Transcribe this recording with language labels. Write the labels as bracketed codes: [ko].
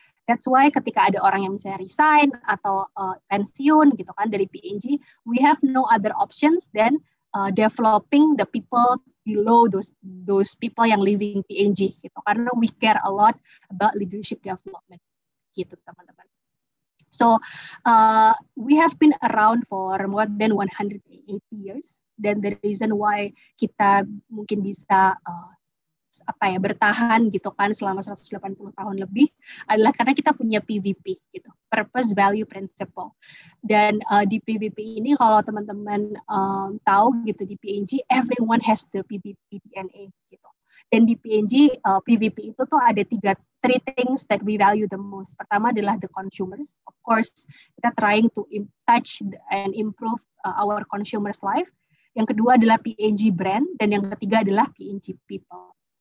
[en] That's why [id] ketika ada orang yang misalnya resign atau pensiun gitu kan dari PNG, [en] we have no other options than developing the people below those people yang leaving PNG [id] gitu, karena [en] we care a lot about leadership development [id] gitu teman-teman. [en] So we have been around for more than 180 years. [id] Dan [en] the reason why [id] kita mungkin bisa bertahan gitu kan selama 180 tahun lebih adalah karena kita punya PVP gitu, Purpose Value Principle. Dan di PVP ini kalau teman-teman tahu gitu, di PNG [en] everyone has the PVP DNA [id] gitu. Dan di PNG PVP itu tuh ada [en] three things that we value the most. [id] Pertama adalah [en] the consumers. Of course, kita trying to touch and improve our consumers' life. [id] Yang kedua adalah PNG brand, dan yang ketiga adalah PNG people.